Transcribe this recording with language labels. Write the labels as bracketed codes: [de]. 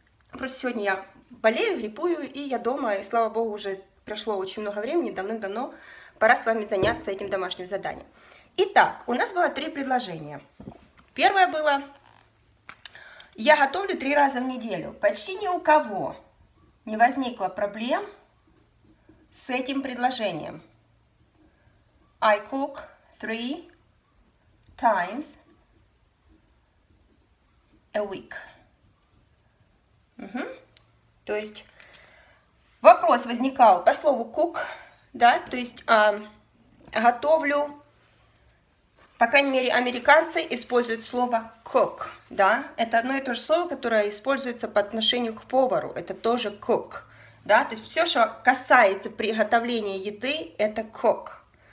[ru] Просто сегодня я болею, гриппую, и я дома, и слава богу, уже прошло очень много времени, давным-давно пора с вами заняться этим домашним заданием. Итак, у нас было три предложения. Первое было: я готовлю три раза в неделю. Почти ни у кого не возникло проблем с этим предложением. [en] I cook three times a week. [ru] Угу. То есть вопрос возникал по слову cook, да, то есть готовлю, по крайней мере, американцы используют слово cook, да, это одно и то же слово, которое используется по отношению к повару, это тоже cook, да, то есть все, что касается приготовления еды, это cook.